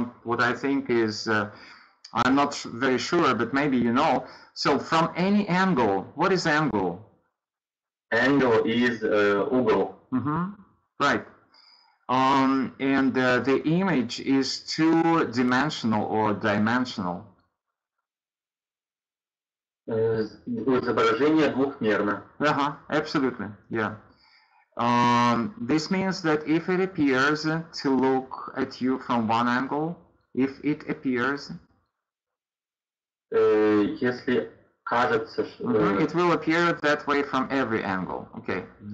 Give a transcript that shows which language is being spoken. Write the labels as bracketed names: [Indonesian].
[English] What I think is, I'm not very sure, but maybe you know. So, from any angle, what is angle? Angle is ugol. Mm-hmm. Right. And the image is two-dimensional or dimensional. [Russian] Изображение двухмерно. [English] Uh-huh. Absolutely. Yeah. This means that if it appears to look at you from one angle, if it appears, it will appear that way from every angle. Okay.